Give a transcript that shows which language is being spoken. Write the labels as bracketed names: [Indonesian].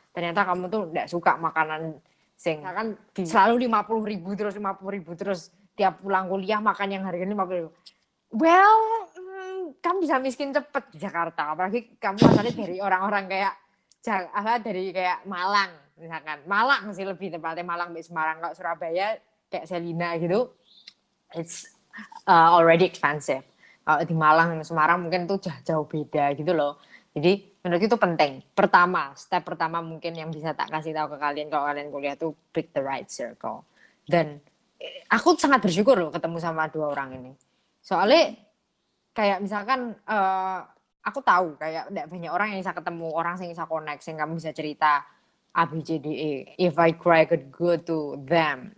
[Indonesian] Ternyata kamu tuh gak suka makanan sing. Kan selalu 50 ribu terus, 50 ribu terus, tiap pulang kuliah makan yang harganya 50 ribu. Well, kamu bisa miskin cepet di Jakarta, apalagi kamu asalnya dari orang-orang kayak, apa, dari kayak Malang, misalkan. Malang sih lebih tepatnya, Malang dari Semarang. Kalau Surabaya, kayak Selina gitu, [English] it's already expensive. [Indonesian] Kalau di Malang dan Semarang mungkin tuh jauh-jauh beda gitu loh. Jadi menurutku itu penting. Pertama, step pertama mungkin yang bisa tak kasih tahu ke kalian kalau kalian kuliah tuh [English] pick the right circle. [Indonesian] Dan aku sangat bersyukur loh ketemu sama dua orang ini. Soalnya kayak misalkan aku tahu kayak enggak banyak orang yang bisa ketemu, orang yang bisa connect, yang kamu bisa cerita A, B, C, D, E. [English] If I cry, I could go to them.